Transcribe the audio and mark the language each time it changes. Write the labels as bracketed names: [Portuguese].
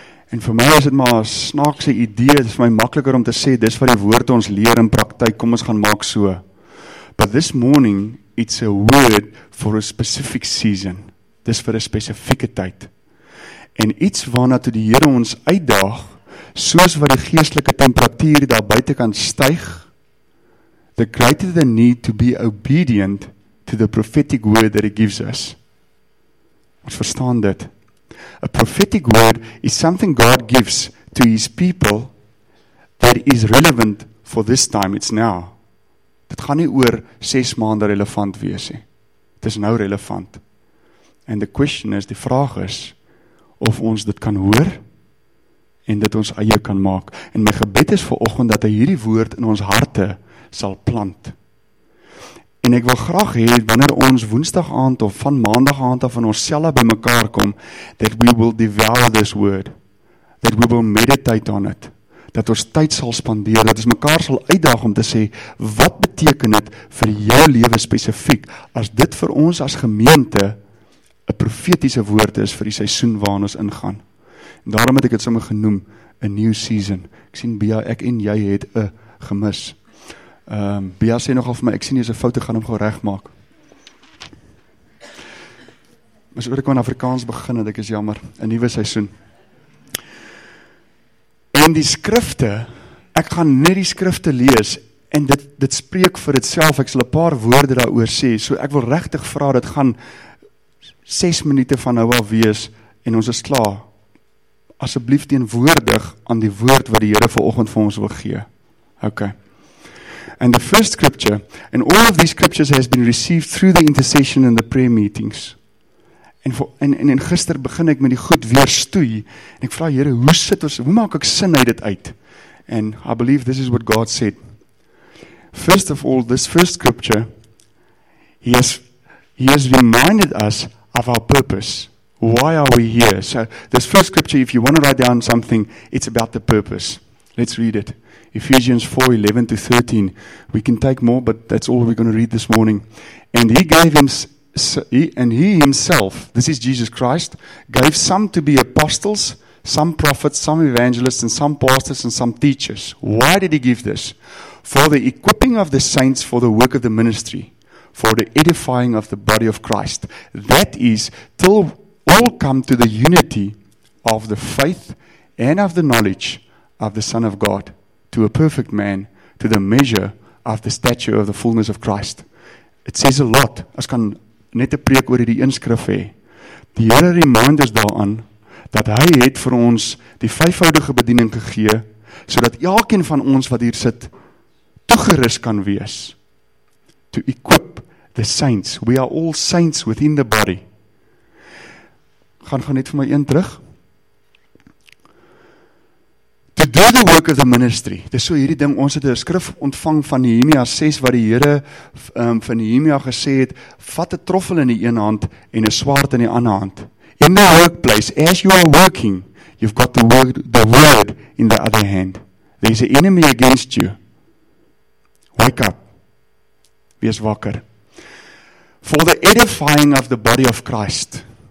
[Afrikaans] En vir my is dit maar snaakse idee, dit is vir my makkeliker om te sê, dis wat die woord ons leer in praktijk, kom ons gaan maak so. [English] But this morning, it's a word for a specific season. [Afrikaans] Dis vir 'n spesifieke tyd. En iets waarna toe die Here ons uitdaag, soos wat die geestelike temperatuur daar buite kan styg, [English] the greater the need to be obedient to the prophetic word that he gives us. [Afrikaans] Ons verstaan dit. [English] A prophetic word is something God gives to his people that is relevant for this time, it's now. [Afrikaans] Dit gaan nie oor 6 maande relevant wees nie. Dit is nou relevant. [English] And the question is, [Afrikaans] die vraag is, of ons dit kan hoor, en dit ons eie kan maak. En my gebed is vanoggend dat hy hierdie woord in ons harte sal plant. En ek wil graag hê, wanneer ons woensdag aand of van maandag aand af van ons selfe by mekaar kom, [English] that we will devour this word, that we will meditate on it, [Afrikaans] dat ons tyd sal spandeer, dat ons mekaar sal uitdaag om te sê, wat beteken het vir jou lewe spesifiek, as dit vir ons as gemeente, 'n profetiese woord is vir die seisoen waarin ons ingaan. En daarom het ek het sommer genoem, [English] a new season. [Afrikaans] Ek sien Bea, ek en jy het 'n gemis. Bea sê nogal vir my, ek sien jy is 'n fout, ek gaan hom gou reg maak. Mas oor ek in Afrikaans begin, het ek is jammer, 'n nuwe seisoen. En die skrifte, ek gaan net die skrifte lees, en dit spreek vir itself, ek sal 'n paar woorde daar oor sê, so ek wil regtig vra, dit gaan 6 minute van nou al wees, en ons is klaar, asseblief teenwoordig aan die woord wat die Here vanoggend vir ons wil gee. [English] Okay. And the first scripture, and all of these scriptures has been received through the intercession and the prayer meetings. [Afrikaans] En gister begin ek met die goed weer stoei, en ek vra Here, hoe maak ek sin uit dit uit? [English] And I believe this is what God said. First of all, this first scripture, he has reminded us of our purpose. Why are we here? So this first scripture, if you want to write down something, it's about the purpose. Let's read it. Ephesians 4:11-13. We can take more, but that's all we're going to read this morning. And he himself, this is Jesus Christ, gave some to be apostles, some prophets, some evangelists, and some pastors, and some teachers. Why did he give this? For the equipping of the saints for the work of the ministry, for the edifying of the body of Christ. That is, till all come to the unity of the faith and of the knowledge of the Son of God, to a perfect man, to the measure of the stature of the fullness of Christ. It says a lot. [Afrikaans] As kan net 'n preek oor hierdie inskrif hê. Die Here remind ons daaraan dat hy het vir ons die vyfvoudige bediening gegee, sodat elkeen van ons wat hier sit toegerus kan wees. [English] To equip the saints. We are all saints within the body. [Afrikaans] Gaan net vir my een terug. [English] To do the work of the ministry. [Afrikaans] Dis so hierdie ding, ons het 'n skrif ontvang van Nehemia 6, wat die Here van Nehemia gesê het, vat 'n troffel in die een hand en 'n swaard in die ander hand. [English] In the workplace, as you are working, you've got the word in the other hand. There's an enemy against you. Wake up. [Afrikaans] Wees wakker. [English] For the edifying of the body of Christ.